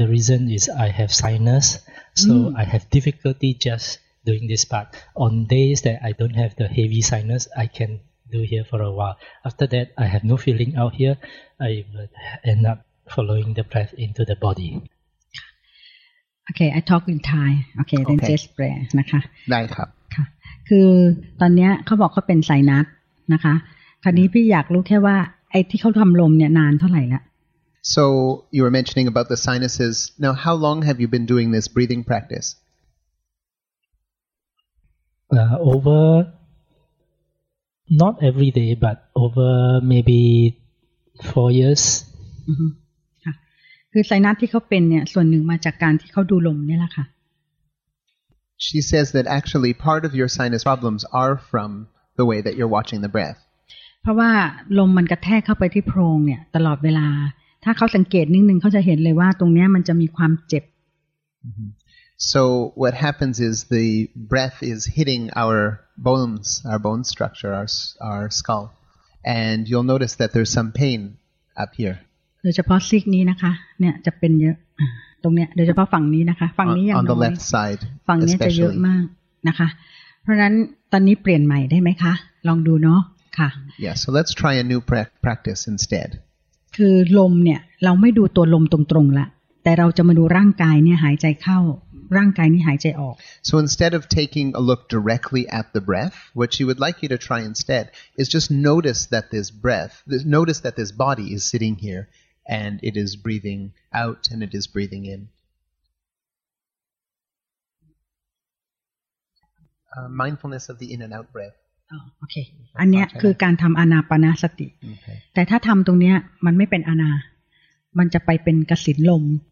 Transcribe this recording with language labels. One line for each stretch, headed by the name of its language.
English: The reason is I have sinus, so I have difficulty just doing this part. On days that I don't have the heavy sinus, I can do here for a while. After that, I have no feeling out here. I end up following the breath into the body. Okay, I talk in Thai. Okay, then okay. Just pray.
Thai: นะคะ ได้ครับ ค่ะคือตอนนี้เขาบอกเขาเป็นไซนัสนะคะคราวนี้พี่อยากรู้แค่ว่าไอ้ที่เขาทำลมเนี่ยนานเท่าไหร่ละ
English: So you were mentioning about the sinuses. Now, how long have you been doing this breathing practice? Over, not every day, but over maybe 4 years.
Thai: ค่ะคือไซนัสที่เขาเป็นเนี่ยส่วนหนึ่งมาจากการที่เขาดูลมนี่แหละค่ะ
English: She says that actually part of your sinus problems are from the way that you're watching the breath.
Thai: เพราะว่าลมมันกระแทกเข้าไปที่โพรงเนี่ยตลอดเวลาถ้าเขาสังเกตนิดนึงเขาจะเห็นเลยว่าตรงนี้มันจะมีความเจ็บ
English: So what happens is the breath is hitting our bones, our bone structure, our skull, and you'll notice that there's some pain up here.
Thai: โดยเฉพาะซีกนี้นะคะเนี่ยจะเป็นเยอะตรงเนี้ยโดยเฉพาะฝั่งนี้นะคะฝั่งนี้อย่างน้อย
English: On the left side,
Thai: ฝั่งนี้จะเยอะมากนะคะเพราะนั้นตอนนี้เปลี่ยนใหม่ได้ไหมคะลองดูเนาะค่ะ
English: Yeah, so let's try a new practice instead.
Thai: คือลมเนี่ยเราไม่ดูตัวลมตรงๆละแต่เราจะมาดูร่างกายเนี่ยหายใจเข้าร่างกายนี้หายใจออก
English: So instead of taking a look directly at the breath what she would like you to try instead is just notice that this breath notice that this body is sitting here and it is breathing out and it is breathing in mindfulness of the in and out breath
Thai: โอเคอันนี้คือการทำอานาปานสติ
English: okay.
Thai: แต่ถ้าทำตรงนี้มันไม่เป็นอานามันจะไปเป็นกสิณลม